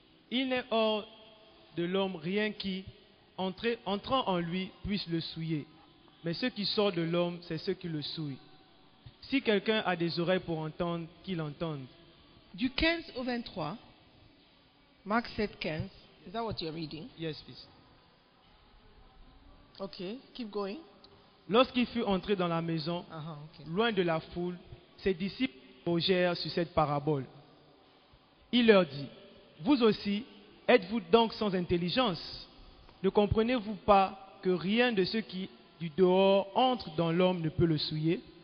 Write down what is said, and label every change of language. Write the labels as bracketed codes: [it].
[fr] Il n'est hors de l'homme rien qui, entrant en lui, puisse le souiller. Mais ce qui sort de l'homme, c'est ce qui le souille. Si quelqu'un a des oreilles pour entendre, qu'il entende. Du 15 au 23, Marc 7, 15. [en] Is that what you're reading? Yes, please. Ok, keep going. [fr] Lorsqu'il fut entré dans la maison, loin de la foule, ses disciples s'interrogèrent sur cette parabole. Il leur dit, vous aussi, êtes-vous donc sans intelligence? Ne comprenez-vous pas que rien de ce qui du dehors entre dans l'homme ne peut le souiller?